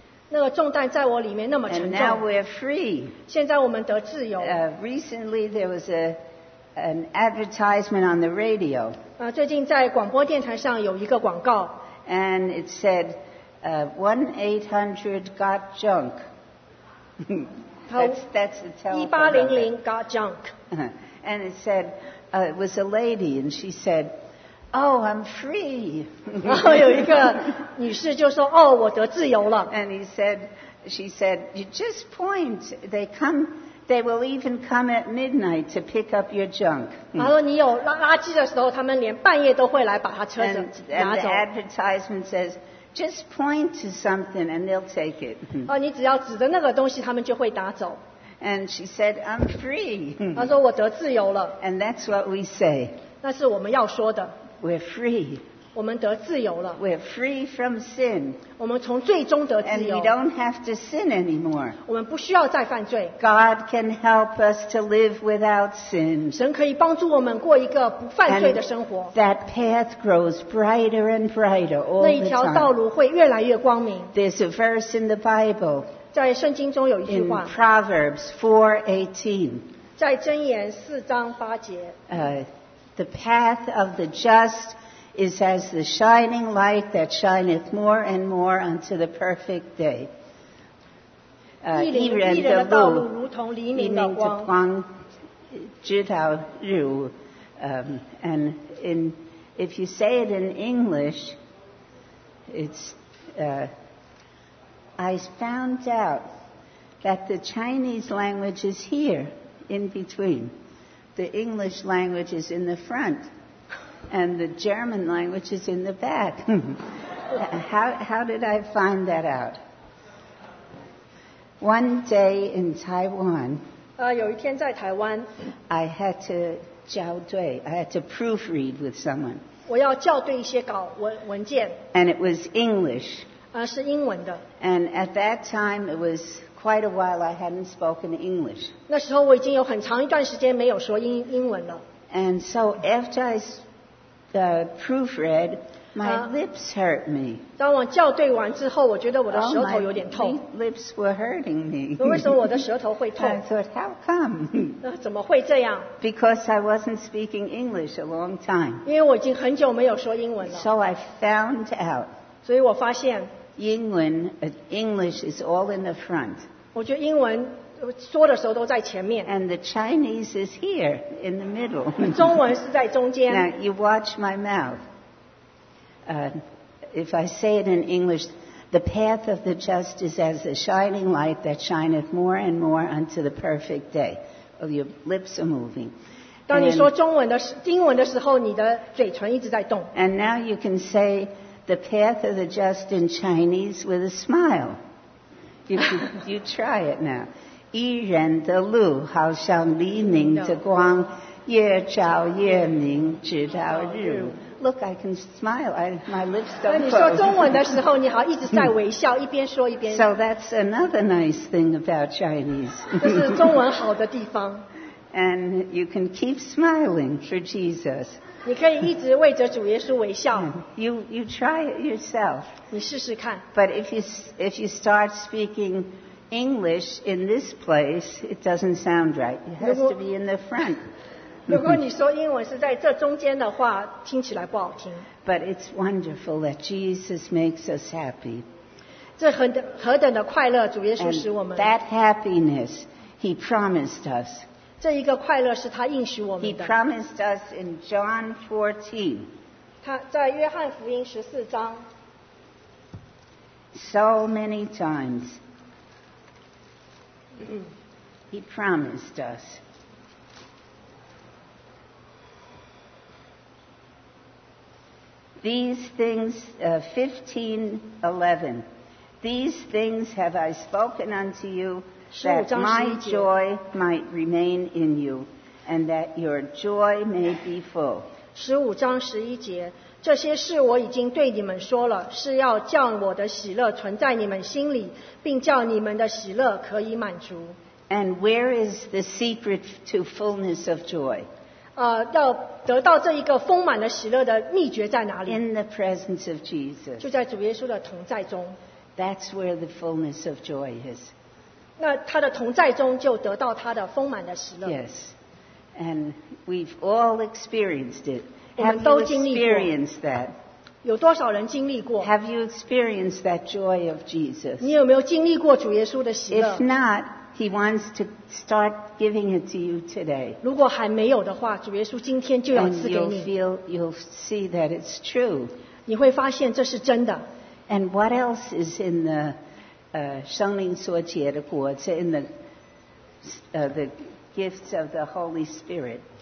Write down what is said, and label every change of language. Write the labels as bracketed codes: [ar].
[zh] 那个重担在我里面那么沉重。 [en] And now we're free. [zh] 现在我们得自由。 [en] Recently there was an advertisement on the radio. [zh] 最近在广播电台上有一个广告。 [en] And it said, 1-800-GOT-JUNK. That's the telephone number. 1-800-GOT-JUNK. And it said, it was a lady, and she said, oh, I'm free. [zh] 然后有一个女士就说，哦，我得自由了。 [en] And she said, you just point, they will even come at midnight to pick up your junk. [zh] 她说你有垃圾的时候，他们连半夜都会来把她车子拿走。 [en] And the advertisement says, just point to something and they'll take it. [zh] 你只要指着那个东西，他们就会拿走。 [en] And she said, I'm free. [zh] 她说我得自由了。 [en] And that's what we say. [zh] 那是我们要说的。 [en] We're free. [zh] 我们得自由了。 [en] We're free from sin. [zh] 我们从罪中得自由。 [en] And we don't have to sin anymore. [zh] 我们不需要再犯罪。 [en] God can help us to live without sin. [zh] 神可以帮助我们过一个不犯罪的生活。 [en] And that path grows brighter and brighter all the time. [zh] 那一条道路会越来越光明。 [en] There's a verse in the Bible. [zh] 在圣经中有一句话。 [en] In Proverbs 4:18. [zh] 在箴言四章八节。 [en] The path of the just is as the shining light that shineth more and more unto the perfect day. [zh] 义人的道路如同黎明的光。黎明的光直到日午。 [en] And in, if you say it in English, it's, I found out that the Chinese language is here in between. The English language is in the front, and the German language is in the back. how did I find that out? One day in Taiwan, [zh] 有一天在台湾 [en] I had to [zh] 校对 [en] I had to proofread with someone. [zh] 我要校对一些稿文件 [en] And it was English. [zh] 是英文的 [en] And at that time, it was. Quite a while I hadn't spoken English. [zh] 那时候我已经有很长一段时间没有说英文了。 [en] And so after I proofread, my lips hurt me. [zh] 当我校对完之后，我觉得我的舌头有点痛。 [en] Oh, my lips were hurting me. [zh] 为什么我的舌头会痛 [en] ？I thought, how come? [zh] 那怎么会这样 [en] ？Because I wasn't speaking English a long time. [zh] 因为我已经很久没有说英文了。 [en] So I found out. [zh] 所以我发现。 [en] English is all in the front. [zh] 我觉得英文说的时候都在前面。 [en] And the Chinese is here in the middle. [zh] 中文是在中间。 [en] Now you watch my mouth. If I say it in English, the path of the just is as a shining light that shineth more and more unto the perfect day. Oh, your lips are moving. [zh] 当你说中文的英文的时候，你的嘴唇一直在动。 [en] And now you can say. The path of the just in Chinese with a smile. You try it now. [zh] 一人的路好像黎明的光，越照越明，直到日午。 [en] Look, I can smile. My lips don't close. [zh] 你说中文的时候，你好一直在微笑，一边说一边。 [en] So that's another nice thing about Chinese. [zh] 这是中文好的地方。 [en] And you can keep smiling for Jesus. [zh] 你可以一直为着主耶稣微笑。 [en] You try it yourself. [zh] 你试试看。 [en] But if you start speaking English in this place, it doesn't sound right. It has to be in the front. [zh] 如果你说英文是在这中间的话，听起来不好听。 [en] But it's wonderful that Jesus makes us happy. [zh] 这何等的快乐，主耶稣使我们。 [en] That happiness He promised us. [zh] 这一个快乐是他应许我们的。 [en] He promised us in John 14. [zh] 他在约翰福音十四章。 [en] So many times. He promised us. These things, 15:11. These things have I spoken unto you. That my joy might remain in you, and that your joy may be full. [zh] 十五章十一节，这些事我已经对你们说了，是要叫我的喜乐存在你们心里，并叫你们的喜乐可以满足。 [en] And where is the secret to fullness of joy? [zh] 要得到这一个丰满的喜乐的秘诀在哪里？ [en] In the presence of Jesus. [zh] 就在主耶稣的同在中。 [en] That's where the fullness of joy is. [zh] 那他的同在中就得到他的丰满的喜乐。 [en] Yes. And we've all experienced it. [zh] 我们都经历过。 [en] Have you experienced that? [zh] 有多少人经历过？ [en] Have you experienced that joy of Jesus? [zh] 你有没有经历过主耶稣的喜乐？ [en] If not,He wants to start giving it to you today. [zh] 如果还没有的话，主耶稣今天就要赐给你。 [en] And you'll see that it's true. [zh] 你会发现这是真的。 [en] And what else is in the [zh] 圣灵所结的果子 [en] in the gifts of the Holy Spirit?